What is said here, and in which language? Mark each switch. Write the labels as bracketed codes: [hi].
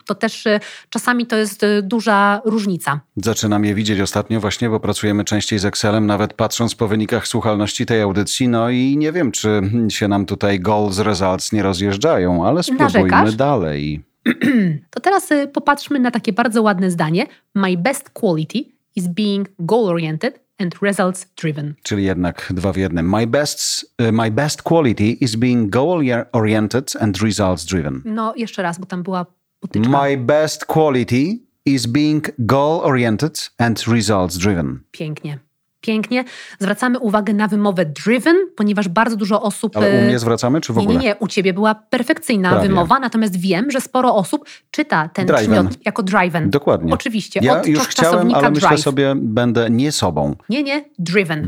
[pl] To też czasami to jest duża różnica. Zaczynam je widzieć ostatnio właśnie, bo pracujemy częściej z Excelem, nawet patrząc po wynikach słuchalności tej audycji. No i nie wiem, czy się nam tutaj goals, results nie rozjeżdżają, ale spróbujmy dalej. To teraz popatrzmy na takie bardzo ładne zdanie. [en] My best quality is being goal-oriented and results-driven. [pl] Czyli jednak dwa w jednym. [en] My best quality is being goal-oriented and results-driven. [pl] No, jeszcze raz, bo tam była potyczka. [en] My best quality is being goal-oriented and results-driven. [pl] Pięknie. Pięknie. Zwracamy uwagę na wymowę driven, ponieważ bardzo dużo osób... Ale u mnie zwracamy, czy w ogóle? Nie, u ciebie była perfekcyjna prawie. Wymowa, natomiast wiem, że sporo osób czyta ten [en] driven. [pl] Przymiot jako driven. Dokładnie. Oczywiście. Ja odczas już chciałem, ale [en] drive. [pl] Myślę sobie, będę nie sobą. Nie, driven.